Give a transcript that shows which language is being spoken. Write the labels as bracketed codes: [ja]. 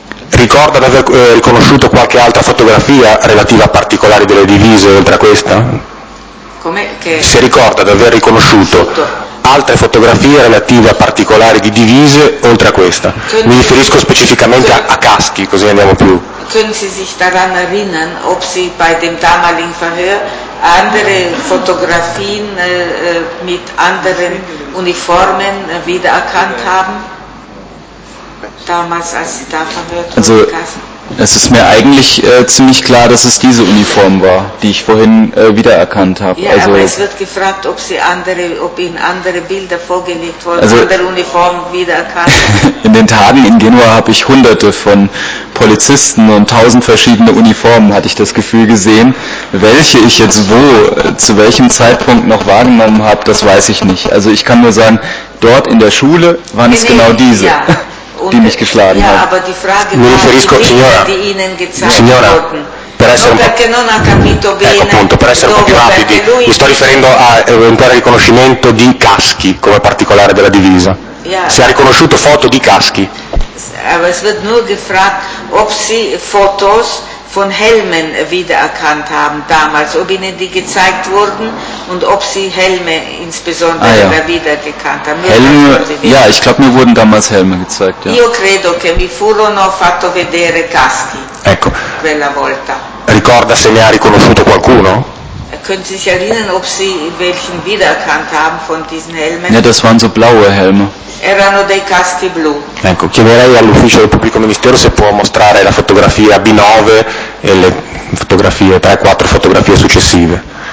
[it] Ricorda di aver riconosciuto qualche altra fotografia relativa a particolari delle divise oltre a questa? Come? Che? Si ricorda di aver riconosciuto altre fotografie relative a particolari di divise oltre a questa? Mi riferisco specificamente a caschi, così andiamo più. [de] Können Sie sich daran erinnern, ob Sie bei dem damaligen Verhör andere Fotografien mit anderen Uniformen wiedererkannt haben? Damals, als Sie da verhört wurden? Also, es ist mir eigentlich ziemlich klar, dass es diese Uniform war, die ich vorhin wiedererkannt habe. Ja, also, aber es wird gefragt, ob Ihnen andere Bilder vorgelegt wurden, also, andere Uniformen wiedererkannt. In den Tagen in Genua habe ich hunderte von Polizisten und tausend verschiedene Uniformen, hatte ich das Gefühl, gesehen. Welche ich jetzt wo, zu welchem Zeitpunkt noch wahrgenommen habe, das weiß ich nicht. Also ich kann nur sagen, dort in der Schule waren es genau diese, ja, die mich geschlagen haben. Ja, aber die Frage war, die Ihnen gezeigt [it] signora. [de] Wurden. [it] Per essere, ecco appunto, per essere un po' più rapidi, mi sto riferendo a eventuale riconoscimento di caschi come particolare della divisa. Yeah. Si ha riconosciuto foto di caschi. [de] Aber es wird nur gefragt, ob Sie Fotos von Helmen wiedererkannt haben damals, ob Ihnen die gezeigt wurden und ob Sie Helme insbesondere wiedererkannt haben. Helme, ja, ich glaube, mir wurden damals Helme gezeigt. [it] Io credo che mi furono fatto vedere caschi. Ecco. Quella volta. Ricorda se ne ha riconosciuto qualcuno? [de] Können Sie sich erinnern, ob Sie welchen wiedererkannt haben von diesen Helmen? Ja, das waren so blaue Helme. [it] Erano dei caschi blu. Ecco, chiederei all'ufficio del pubblico ministero se può mostrare la fotografia B9 e le fotografie, 3-4 fotografie successive.